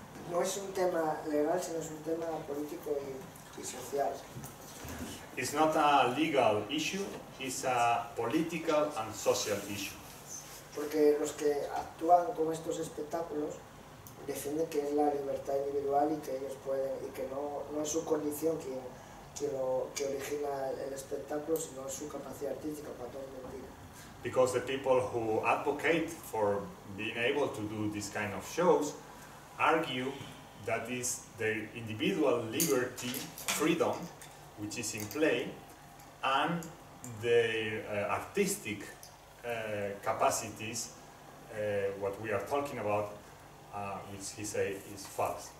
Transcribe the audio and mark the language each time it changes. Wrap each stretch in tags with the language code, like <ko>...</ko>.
<es>No es un tema legal, sino es un tema político y social.</es> <en>It's not a legal issue, it's a political and social issue.</en> <es>Porque los que actúan con estos espectáculos defienden que es la libertad individual y que ellos pueden, y que no es su condición que origina el espectáculo, sino es su capacidad artística, para todo el mundo.</es> <en>Because the people who advocate for being able to do this kind of shows argue that is their individual liberty, freedom, which is in play, and their artistic capacities, what we are talking about, which he say is false.</en>